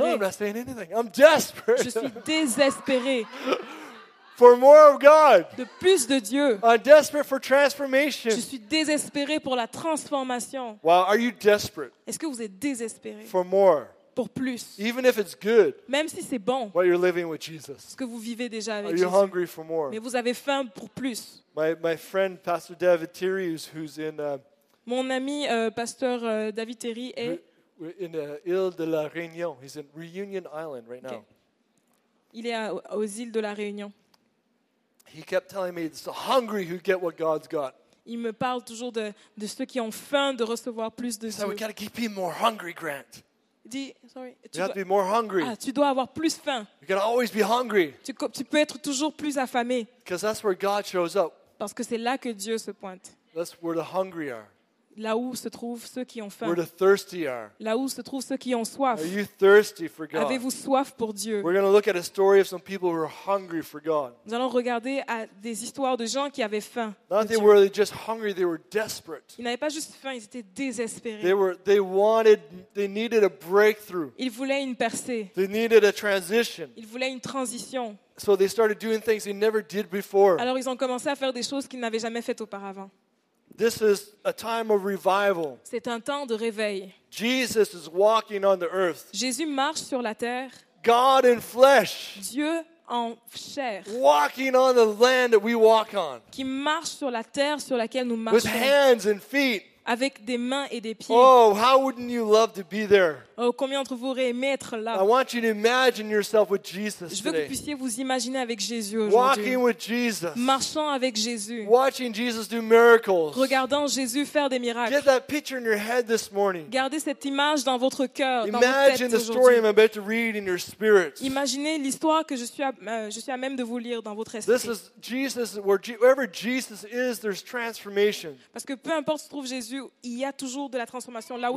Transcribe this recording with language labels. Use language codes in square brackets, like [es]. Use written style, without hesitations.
[en] No, I'm not saying anything. I'm desperate. [fr] Je suis désespéré. [en] For more of God. [fr] De plus de Dieu. [en] I'm desperate for transformation. [fr] Je suis désespéré pour la transformation. [en] Wow, are you desperate? [fr] Est-ce que vous êtes désespéré? [en] For more. [fr] Pour plus. [en] Even if it's good. [fr] Même si c'est bon. [en] While you're living with Jesus. [fr] Ce que vous vivez déjà avec Jésus. [en] Are you hungry for more? [fr] Mais vous avez faim pour plus. [en] My friend, Pastor David Thierry, who's in... [fr] Mon ami pasteur David Terry est [en] We're in the Île de la Réunion. He's in Reunion Island right now. Okay. [fr] Il est aux îles de la Réunion. [en] He kept telling me it's the hungry who get what God's got. [fr] Il me parle toujours de ceux qui ont faim de recevoir plus de Dieu. [en] So we gotta keep being more hungry, Grant. [fr] Sorry, tu dois avoir plus faim. [en] You gotta always be hungry. [fr] Tu peux être toujours plus affamé. [en] Because that's where God shows up. [fr] Parce que c'est là que Dieu se pointe. [en] That's where the hungry are. [fr] Là où se trouvent ceux qui ont faim. [en] Where the thirsty are. [fr] Là où se trouvent ceux qui ont soif. [en] Are you thirsty for God? [fr] Avez-vous soif pour Dieu? [en] We're going to look at a story of some people who are hungry for God. [fr] Nous allons regarder à des histoires de gens qui avaient faim. [en] Not they were just hungry, they were desperate. [fr] Ils n'avaient pas juste faim, ils étaient désespérés. [en] They needed a breakthrough. [fr] Ils voulaient une percée. [en] They needed a transition. [fr] Ils voulaient une transition. [en] So they started doing things they never did before. [fr] Alors ils ont commencé à faire des choses qu'ils n'avaient jamais faites auparavant. [en] This is a time of revival. [fr] C'est un temps de réveil. [en] Jesus is walking on the earth. [fr] Jésus marche sur la terre. [en] God in flesh. [fr] Dieu en chair. [en] Walking on the land that we walk on. [fr] Qui marche sur la terre sur laquelle nous marchons. [en] With hands and feet. [fr] Avec des mains et des pieds. [en] Oh, how wouldn't you love to be there? [fr] Oh, combien d'entre vous auraient aimé être là? [en] I want you to imagine yourself with Jesus today. [fr] Je veux que vous puissiez vous imaginer avec Jésus aujourd'hui. [en] Walking with Jesus. [fr] Marchant avec Jésus. [en] Watching Jesus do miracles. [fr] Regardant Jésus faire des miracles. [en] Get that picture in your head this morning. [fr] Gardez cette image dans votre cœur, dans imagine votre tête [en] the story I'm about to read in your spirit. [fr] Imaginez l'histoire que je suis à même de vous lire dans votre esprit. [en] This is Jesus, wherever Jesus is, there's transformation. [fr] Parce que peu importe où se trouve Jésus, il y a toujours de la transformation là où